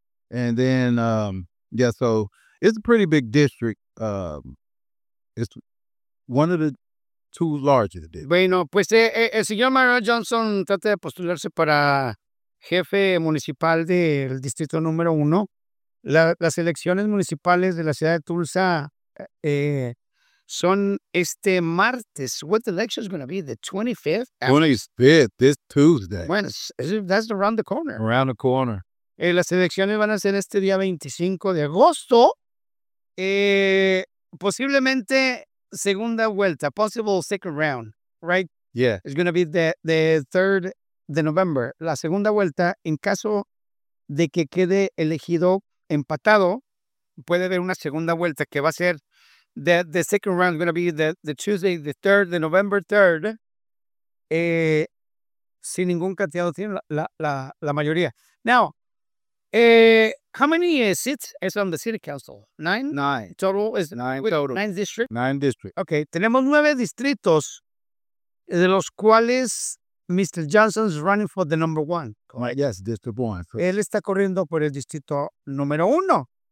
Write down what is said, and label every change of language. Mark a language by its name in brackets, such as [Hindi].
[English] And then, so it's a pretty big district. It's one of the two largest districts. [Spanish] Bueno, pues el señor Mario Johnson trata de postularse para jefe municipal del distrito número uno. Las elecciones municipales de la ciudad de Tulsa son este martes. [English] What election is going to be? The 25th? This Tuesday. Bueno, that's around the corner. Around the corner. [Spanish] Las elecciones van a ser este día 25 de agosto. Posiblemente segunda vuelta. [English] Possible second round, right? Yeah. It's going to be the 3rd de November. [Spanish] La segunda vuelta, en caso de que quede elegido empatado, puede haber una segunda vuelta que va a ser [English] the second round. Is going to be the Tuesday, the 3rd, the November 3rd. [Spanish] Sin ningún candidato tiene la mayoría. [English] Now, how many seats is on the city council? Nine. Total is nine. Total. Nine districts. Nine districts. [Spanish] Okay, tenemos nueve distritos, de los cuales Mr. [English] Johnson is running for the number one. Correct? Yes, district one. So. [Spanish] Él está corriendo por el distrito número uno.